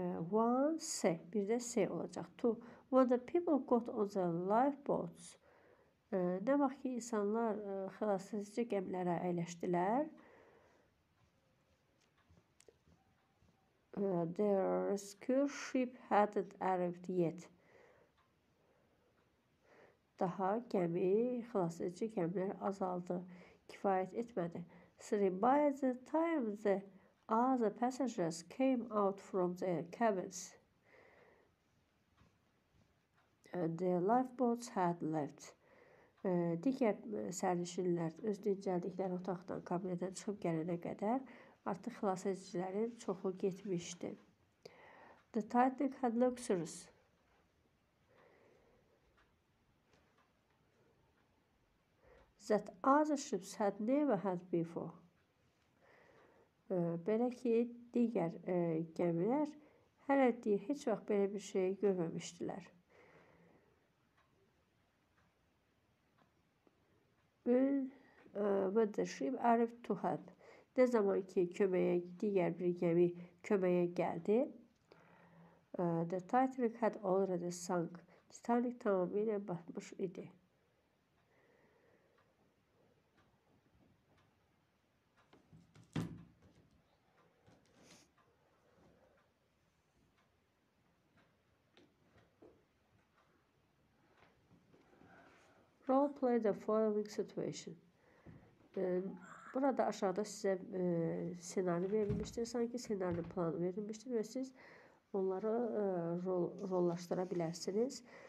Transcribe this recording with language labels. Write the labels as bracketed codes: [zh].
[en] Once, [az] bir də se olacaq. [en] To, when the people got on the lifeboats, [az] nə vaxt ki insanlar xilas edici gəmilərə əyləşdilər, [en] their rescue ship hadn't arrived yet. [az] Daha gəmi, xilas edici gəmilər azaldı, kifayət etmədi. [en] Three, by the time the other passengers came out from their cabins, the lifeboats had left. [az] Digər sərnişinlər öz dincəldikləri otaqdan, kabinədən çıxıb gələnə qədər artıq xilas edicilərin çoxu getmişdi. [en] The Titanic had luxuries. That other ships had never had before. [az] Belə ki, digər gəmilər hələ deyil, heç vaxt belə bir şey görməmişdilər. [en] When the ship arrived to help. [az] Nə zaman ki, köməyə, digər bir gəmi köməyə gəldi. [en] The Titanic had already sunk. [az] Titanic tamamilə batmış idi. [en] Role play the following situation. [az] Burada aşağıda sizə senaryo verilmişdir, sanki senaryo planı verilmişdir və siz onları rollaşdıra bilərsiniz.